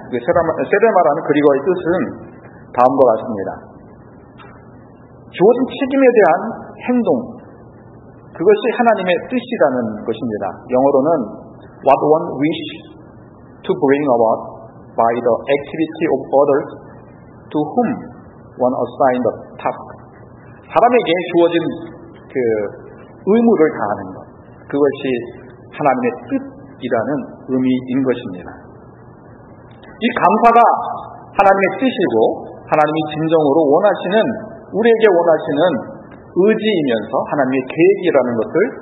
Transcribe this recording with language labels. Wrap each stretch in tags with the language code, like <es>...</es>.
<ko>세레마라는 그리고의 뜻은 다음과 같습니다. 주어진 책임에 대한 행동, 그것이 하나님의 뜻이라는 것입니다. 영어로는</ko> <en>what one wish to bring about by the activity of others to whom one assigned the task.</en> <ko>사람에게 주어진 그 의무를 다하는 것, 그것이 하나님의 뜻이라는 의미인 것입니다. 이 감사가 하나님의 뜻이고 하나님이 진정으로 원하시는 우리에게 원하시는 의지이면서 하나님의 계획이라는 것을</ko>